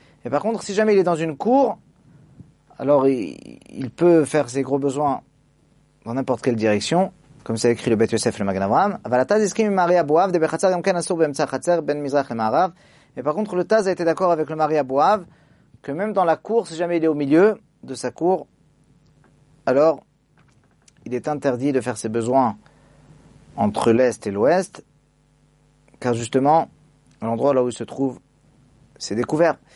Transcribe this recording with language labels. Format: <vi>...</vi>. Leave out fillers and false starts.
<fr>Et par contre, si jamais il est dans une cour, alors il peut faire ses gros besoins dans n'importe quelle direction, comme c'est écrit le בית יוסף ומגד אברהם.</fr> <he>אבל התז הסכים עם מארי אבואב, ובחצר גם כן אסור באמצע החצר, בין מזרח למערב.</he> <fr>Et par contre, le Taz a été d'accord avec le mari Abouav, que même dans la cour, si jamais il est au milieu de sa cour, alors il est interdit de faire ses besoins entre l'est et l'ouest, car justement, l'endroit là où il se trouve, c'est découvert.</fr>